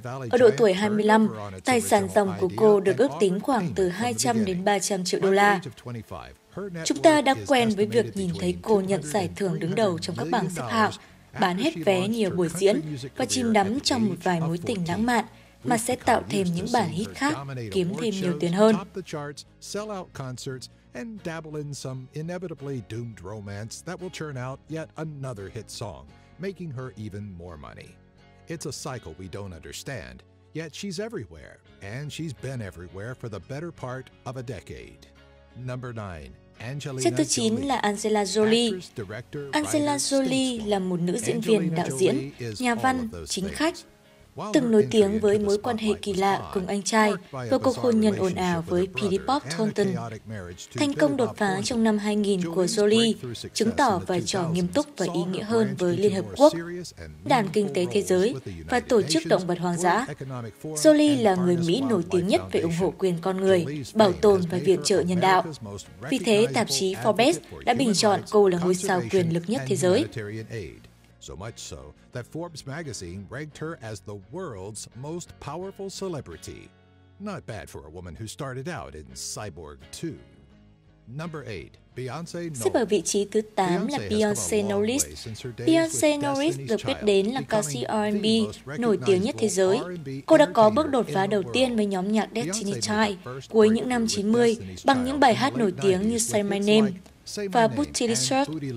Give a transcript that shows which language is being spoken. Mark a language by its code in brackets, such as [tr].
[vi] Ở độ tuổi 25, tài sản ròng của cô được ước tính khoảng từ 200 đến 300 triệu đô la. Chúng ta đã quen với việc nhìn thấy cô nhận giải thưởng đứng đầu trong các bảng xếp hạng, bán hết vé nhiều buổi diễn và chìm đắm trong một vài mối tình lãng mạn mà sẽ tạo thêm những bản hit khác, kiếm thêm nhiều tiền hơn. [en] And dabble in some inevitably doomed romance that will turn out yet another hit song, making her even more money. It's a cycle we don't understand, yet she's everywhere, and she's been everywhere for the better part of a decade. Number 9. [vi] Xếp thứ 9 là Angelina Jolie. Angelina Jolie là một nữ diễn viên, đạo diễn, nhà văn, chính khách. Từng nổi tiếng với mối quan hệ kỳ lạ cùng anh trai và cuộc hôn nhân ồn ào với Petey Bob Thornton. Thành công đột phá trong năm 2000 của Jolie chứng tỏ vai trò nghiêm túc và ý nghĩa hơn với Liên Hợp Quốc, Đàn Kinh tế Thế giới và Tổ chức Động vật Hoang dã. Jolie là người Mỹ nổi tiếng nhất về ủng hộ quyền con người, bảo tồn và viện trợ nhân đạo. Vì thế, tạp chí Forbes đã bình chọn cô là ngôi sao quyền lực nhất thế giới. [en] So much so that Forbes magazine ranked her as the world's most powerful celebrity. Not bad for a woman who started out in Cyborg 2. Number 8. [vi] Xếp ở vị trí thứ 8 là Beyoncé Knowles. Beyoncé Knowles được biết đến là ca sĩ R&B nổi tiếng nhất thế giới. Cô đã có bước đột phá đầu tiên với nhóm nhạc Destiny's Child cuối những năm 90 bằng những bài hát nổi tiếng như Say My Name và Bootylicious.